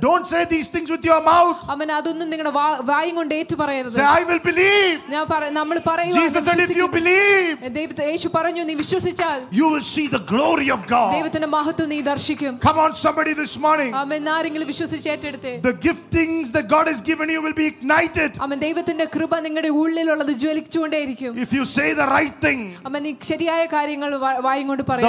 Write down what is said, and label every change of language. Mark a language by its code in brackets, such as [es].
[en] Don't say these things with your mouth, [ml] അമ്മൻ അതൊന്നും നിങ്ങളുടെ വായും കൊണ്ട് ഏറ്റു പറയരുത്. [en] Say I will believe, [ml] ഞാൻ നമ്മൾ പറയും. [en] Jesus said if you believe, [ml] ദൈവത്തെ യേശു പറഞ്ഞു നീ വിശ്വസിച്ചാൽ, [en] you will see the glory of God, [ml] ദൈവത്തിന്റെ മഹത്വം നീ ദർശിക്കും. [en] Come on somebody this morning, [ml] അമ്മ ആരെങ്കിലും വിശ്വസിച്ച് ഏറ്റെടുത്തേ, [en] the giftings that God has given you will be ignited, [ml] അമ്മ ദൈവത്തിന്റെ കൃപ നിങ്ങളുടെ ഉള്ളിലുള്ളത് ജ്വലിച്ചുകൊണ്ടേയിരിക്കും. [en] If you say the right thing, [ml] അമ്മ നീ ശരിയായ കാര്യങ്ങൾ വായും കൊണ്ട് പറയും.